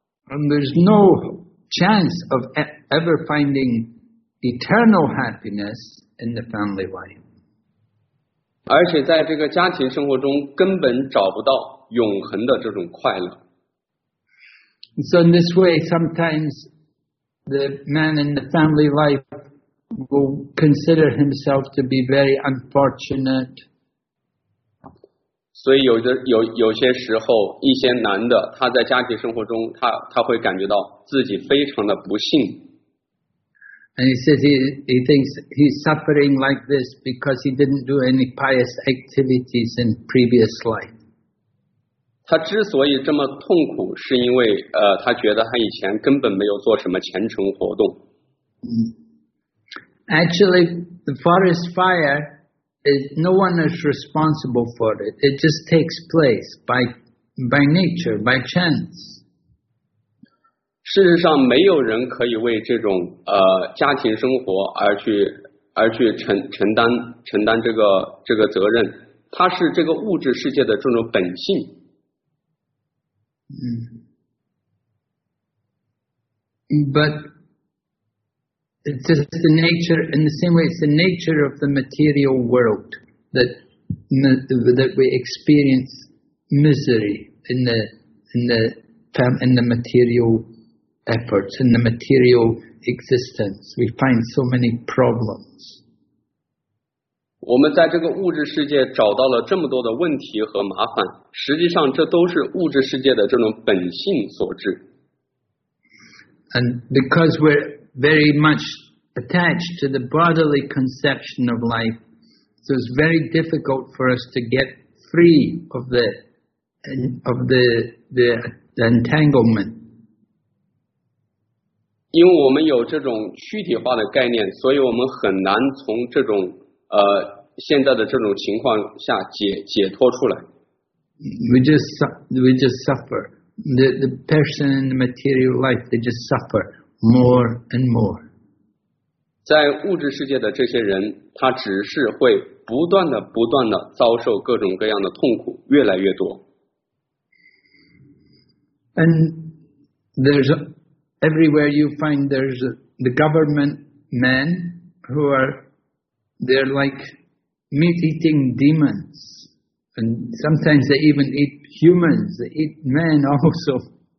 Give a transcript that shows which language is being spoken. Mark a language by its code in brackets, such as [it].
[en] And there's no chance of ever finding eternal happiness in the family life. [zh] 而且在这个家庭生活中根本找不到永恒的这种快乐。So [en] in this way, sometimes the man in the family life will consider himself to be very unfortunate. [zh] 所以有些时候，一些男的，他在家庭生活中，他会感觉到自己非常的不幸。 [en] And he says he thinks he's suffering like this because he didn't do any pious activities in previous life. [zh] 他之所以这么痛苦，是因为 他觉得他以前根本没有做什么虔诚活动。 [en] Actually, the forest fire is no one is responsible for it. It just takes place by by nature, by chance. [zh] 事实上，没有人可以为这种家庭生活而去承担这个责任。它是这个物质世界的这种本性。嗯。 [en] But it's just the nature, in the same way, it's the nature of the material world that we experience misery in the material efforts, in the material existence. We find so many problems. [zh] 我们在这个物质世界找到了这么多的问题和麻烦，实际上这都是物质世界的这种本性所致。 [en] And because we're very much attached to the bodily conception of life, so it's very difficult for us to get free of the entanglement. [zh] 因为我们有这种躯体化的概念，所以我们很难从这种现在的这种情况下解脱出来。 [en] We just suffer. The person in the material life, they just suffer more and more. [zh] 在物质世界的这些人，他只是会不断的遭受各种各样的痛苦，越来越多。 [en] And there's everywhere you find there's the government men who are, they're like meat-eating demons. And sometimes they even eat humans, they eat men also.